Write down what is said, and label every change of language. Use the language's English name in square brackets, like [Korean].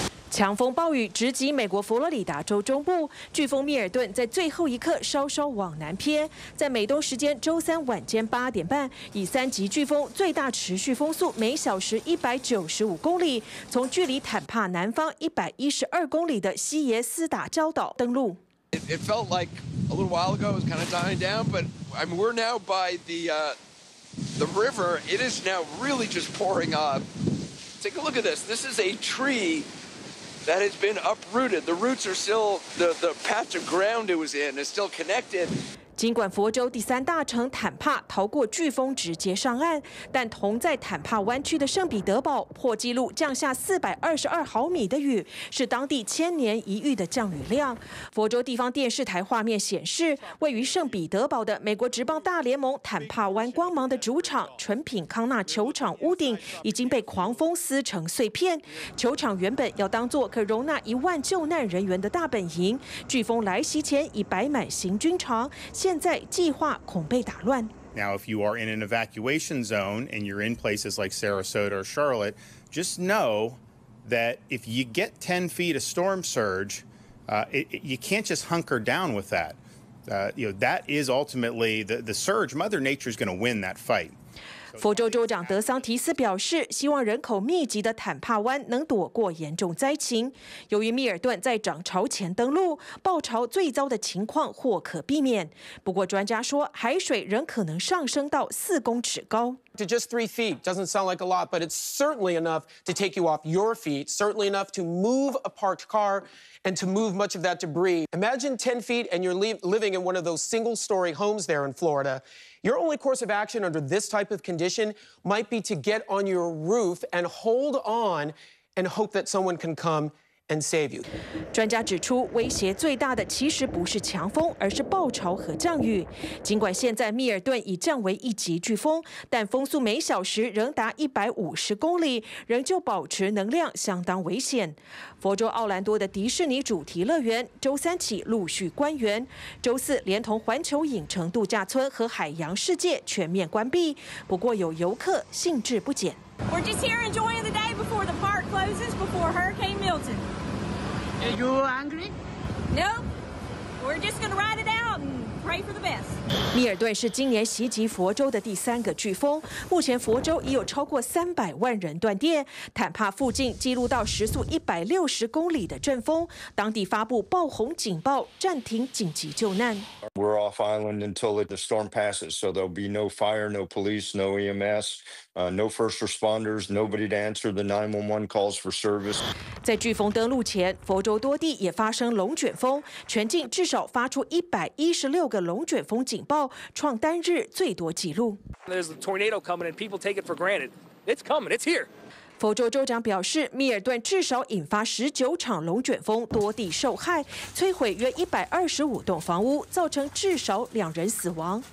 [Chinese] 强风暴雨直击美国佛罗里达州中部，飓风密尔顿在最后一刻稍稍往南偏，在美东时间周三晚间8:30，以三级飓风最大持续风速每小时195公里，从距离坦帕南方112公里的西耶斯达礁岛登陆。 [English] It felt like a little while ago it was kind of dying down, but I mean we're now by the river. It is now really just pouring up. Take a look at this. This is a tree. That has been uprooted. The roots are still the patch of ground it was in is still connected. [Chinese] 尽管佛州第三大城坦帕逃过飓风直接上岸，但同在坦帕湾区的圣彼得堡破纪录降下422毫米的雨，是当地千年一遇的降雨量。佛州地方电视台画面显示，位于圣彼得堡的美国职棒大联盟坦帕湾光芒的主场纯品康纳球场屋顶已经被狂风撕成碎片。球场原本要当作可容纳10,000救难人员的大本营，飓风来袭前已摆满行军场，现在计划恐被打乱。 [English] Now, if you are in an evacuation zone and you're in places like Sarasota or Charlotte, just know that if you get 10 feet of storm surge, you can't just hunker down with that. That is ultimately the surge. Mother Nature is going to win that fight. [Chinese] 佛州州长德桑提斯表示，希望人口密集的坦帕湾能躲过严重灾情。由于密尔顿在涨潮前登陆，暴潮最糟的情况或可避免。不过，专家说，海水仍可能上升到4公尺高。 [English] To just 3 feet doesn't sound like a lot, but it's certainly enough to take you off your feet, certainly enough to move a parked car and to move much of that debris. Imagine 10 feet and you're living in one of those single-story homes there in Florida. Your only course of action under this type of condition might be to get on your roof and hold on and hope that someone can come. And save you. [Chinese] 专家指出，威胁最大的其实不是强风，而是暴潮和降雨。尽管现在密尔顿已降为一级飓风，但风速每小时仍达150公里，仍旧保持能量相当危险。佛州奥兰多的迪士尼主题乐园周三起陆续关园，周四连同环球影城度假村和海洋世界全面关闭。不过有游客兴致不减。 [English] We're just here enjoying the day before the park closes before Hurricane Milton. Are you angry? No. We're just going to ride it out and... Pray for the best. [Chinese] 密尔顿是今年袭击佛州的第三个飓风，目前佛州已有超过300万人断电，坦帕附近记录到时速160公里的阵风，当地发布暴洪警报，暂停紧急救难。 [English] We're off island until the storm passes, so there'll be no fire, no police, no EMS, no first responders, nobody to answer the 911 calls for service. [Chinese] 在飓风登陆前，佛州多地也发生龙卷风，全境至少发出116个龙卷风警报，创单日最多纪录。 [English] There's a tornado coming, and people take it for granted. It's coming. It's here. [Chinese] 佛州州长表示，密尔顿至少引发19场龙卷风，多地受害，摧毁约125栋房屋，造成至少两人死亡。